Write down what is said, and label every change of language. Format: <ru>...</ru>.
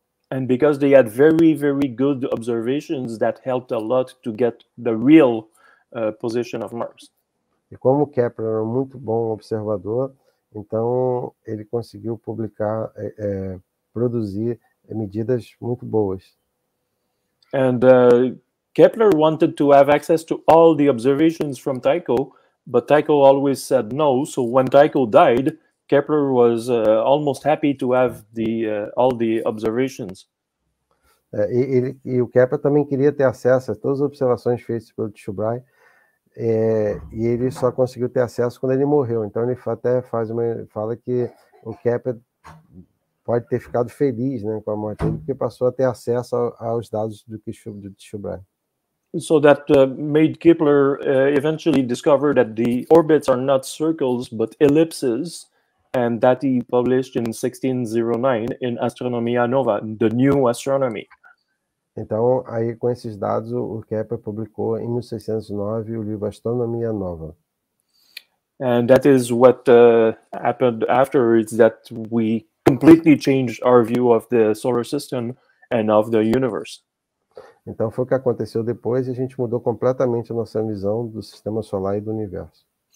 <en>And because they had very, very good observations, that helped a lot to get the real position of Mars.</en> <pt>E como Kepler era um muito bom observador, então ele conseguiu publicar, produzir medidas muito boas.</pt> <en>And Kepler wanted to have access to all the observations from Tycho, but Tycho always said no. So when Tycho died, Kepler was almost happy to have all the observations.</en> <pt>E o Kepler também queria ter acesso a todas as observações feitas pelo Tycho Brahe. E ele só conseguiu ter acesso quando ele morreu. Então ele até fala que o Kepler pode ter ficado feliz, né, com a morte dele, porque passou a ter acesso aos dados do Tycho Brahe.</pt> <en>So that made Kepler eventually discover that the orbits are not circles but ellipses, and that he published in 1609 in Astronomia Nova, the new astronomy.</en> <pt>Então, aí com esses dados, o Kepler publicou em 1609 o livro Astronomia Nova.</pt> <en>And that is what happened after, is that we completely changed our view of the solar system and of the universe.</en> <pt>Então foi o que aconteceu depois e a gente mudou completamente a nossa visão do sistema solar e do universo.</pt>